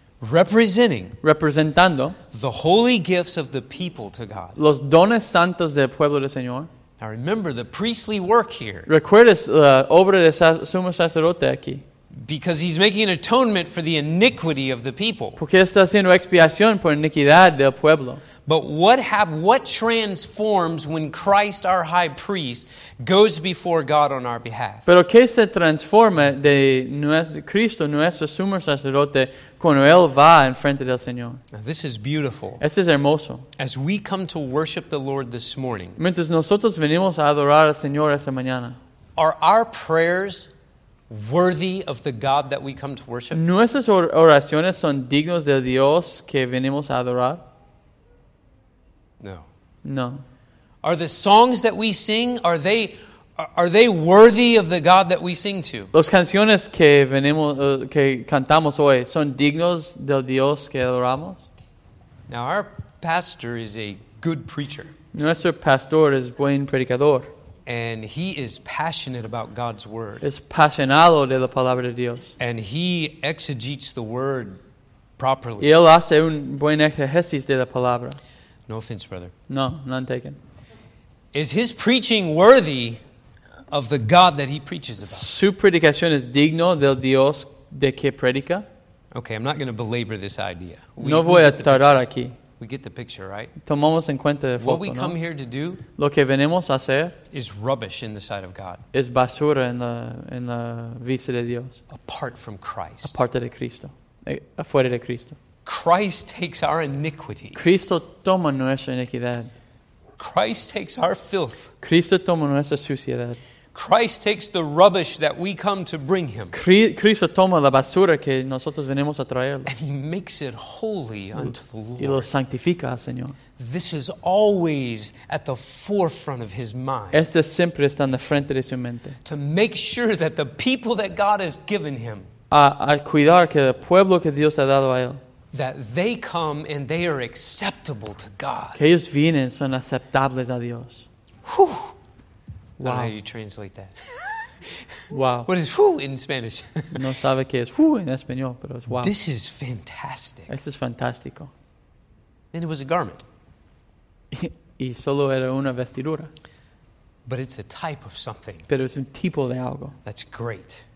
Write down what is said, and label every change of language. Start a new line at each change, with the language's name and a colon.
Spanish: representando
English: the holy gifts of the people to God.
Spanish: Los dones santos del pueblo del Señor.
English: Now remember the priestly work here.
Spanish: Recuerdes la obra del sumo sacerdote aquí.
English: Because he's making an atonement for the iniquity of the people.
Spanish: Porque está haciendo expiación por iniquidad del pueblo.
English: But what transforms when Christ, our high priest, goes before God on our behalf?
Spanish: Pero qué se transforma de Cristo, nuestro sumo sacerdote, cuando él va en frente del Señor?
English: Now, this is beautiful.
Spanish: Esto es hermoso.
English: As we come to worship the Lord this morning,
Spanish: mientras nosotros venimos a adorar al Señor esta mañana,
English: are our prayers worthy of the God that we come to worship?
Spanish: ¿Nuestras oraciones son dignos del Dios que venimos a adorar?
English: No.
Spanish: No.
English: Are the songs that we sing, are they worthy of the God that we sing to?
Spanish: Las canciones que venimos que cantamos hoy son dignos del Dios que adoramos?
English: Now our pastor is a good preacher.
Spanish: Nuestro pastor es buen predicador.
English: And he is passionate about God's word.
Spanish: Es apasionado de la palabra de Dios.
English: And he exegetes the word properly.
Spanish: Y él hace un buen exegesis de la palabra.
English: No offense, brother. No, none taken. Is his preaching worthy of the God that he preaches about?
Spanish: Su predicación es digno del Dios de que predica.
English: Okay, I'm not going to belabor this idea.
Spanish: No voy a tardar aquí.
English: We get the picture, right?
Spanish: Tomamos en cuenta el foco,
English: what we come
Spanish: ¿no?
English: here to do,
Spanish: lo que venimos a hacer,
English: is rubbish in the sight of God.
Spanish: Es basura en la vista de Dios.
English: Apart from Christ.
Spanish: Aparte de Cristo. Afuera de Cristo.
English: Christ takes our iniquity.
Spanish: Cristo toma nuestra iniquidad.
English: Christ takes our filth.
Spanish: Cristo toma nuestra suciedad.
English: Christ takes the rubbish that we come to bring him.
Spanish: Cristo toma la basura que nosotros venimos a traerle.
English: And he makes it holy unto the Lord.
Spanish: Y lo santifica al Señor.
English: This is always at the forefront of his mind.
Spanish: Esto siempre está en la frente de su mente.
English: To make sure that the people that God has given him.
Spanish: A cuidar que el pueblo que Dios ha dado a él.
English: That they come and they are acceptable to God.
Spanish: Que ellos vienen son aceptables a Dios. Whew.
English: Wow. I don't know how you translate that. Wow. What is whoo in Spanish?
Spanish: No sabe qué es whoo en español, pero es wow.
English: This is fantastic.
Spanish: Esto es fantástico.
English: And it was a garment.
Spanish: Y solo era una vestidura.
English: But it's a type of something.
Spanish: Pero es un tipo de algo.
English: That's great.